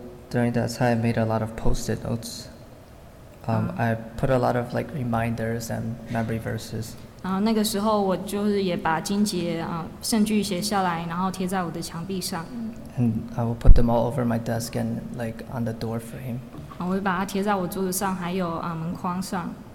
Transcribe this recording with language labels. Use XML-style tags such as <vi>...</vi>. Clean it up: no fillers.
<en>During that time, I made a lot of post-it notes. I put a lot of like reminders and memory verses.</en> <zh>那个时候我就是也把经节圣句写下来，然后贴在我的墙壁上。</zh> <en>And I will put them all over my desk and like on the door frame.</en> <zh>我会把它贴在我桌子上，还有门框上。</zh>